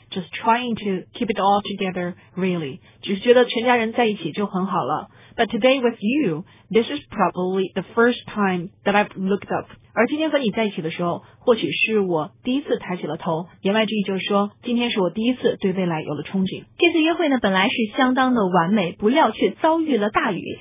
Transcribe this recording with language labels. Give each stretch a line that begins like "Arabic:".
English: just trying to keep it all together, really.
Chinese: 只觉得全家人在一起就很好了。
English: But today with you, this is probably the first time that I've looked up.
Chinese: 而今天和你在一起的时候，或许是我第一次抬起了头。言外之意就是说，今天是我第一次对未来有了憧憬。这次约会呢，本来是相当的完美，不料却遭遇了大雨。